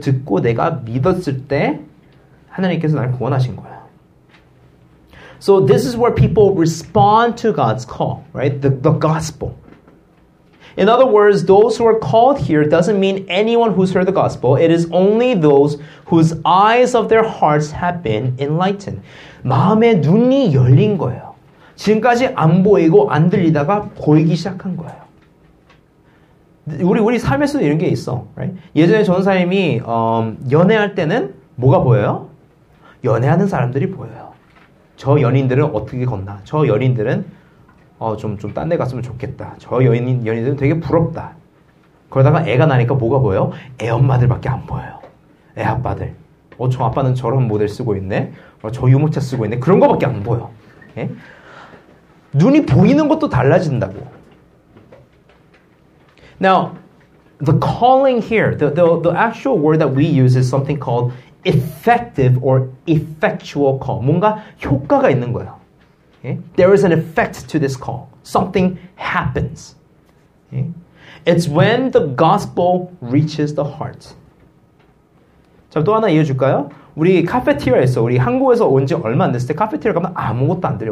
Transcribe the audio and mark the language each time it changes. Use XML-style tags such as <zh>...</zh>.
<ko>듣고 내가 믿었을 때 하나님께서 나를 구원하신 거야.</ko> <en>So this is where people respond to God's call, right? The gospel. In other words, those who are called here doesn't mean anyone who's heard the gospel. It is only those whose eyes of their hearts have been enlightened.</en> <ko>마음의 눈이 열린 거예요. 지금까지 안 보이고 안 들리다가 보이기 시작한 거예요. 우리 삶에서도 이런 게 있어.</ko> <en>Right?</en> <ko>예전에 전사님이 연애할 때는 뭐가 보여요? 연애하는 사람들이 보여요. 저 연인들은 어떻게 건나? 저 연인들은 좀 딴 데 갔으면 좋겠다. 저 연인들은 되게 부럽다. 그러다가 애가 나니까 뭐가 보여요? 애 엄마들밖에 안 보여요. 애 아빠들. 어, 저 아빠는 저런 모델 쓰고 있네. 어, 저 유모차 쓰고 있네. 그런 것밖에 안 보여. 예? 눈이 보이는 것도 달라진다고.</ko> <en>Now, the calling here, the actual word that we use is something called effective or effectual call.</en> <ko>뭔가 효과가 있는 거예요.</ko> <en>Okay? There is an effect to this call. Something happens. Okay? It's when the gospel reaches the heart.</en> <ko>자, 또 하나 이어줄까요? 우리 카페테리아에서 우리 한국에서 온 지 얼마 안 됐을 때 카페테리아 가면 아무것도 안 들려.</ko>